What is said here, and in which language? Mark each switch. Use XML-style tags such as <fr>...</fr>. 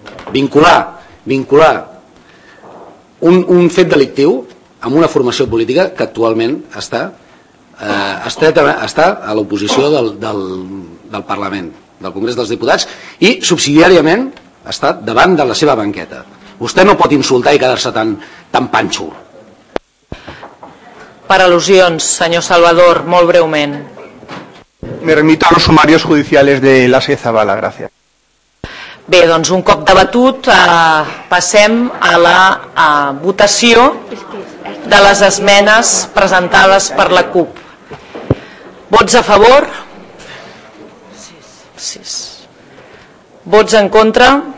<ca>Vincular un fet delictiu amb una formació política que actualment està, està a l'oposició del Parlament, del Congrés dels Diputats, i subsidiàriament està davant de la seva banqueta. Vostè no pot insultar i quedar-se tan panxo. Per al·lusions, senyor Salvador, molt breument.</ca> <es>Me remito a los sumarios judiciales de la Sé Zavala, gracias.</es> <ca>Bé, doncs un cop debatut, passem a la votació de les esmenes presentades per la CUP. Vots a favor? 6. Vots en contra?</ca>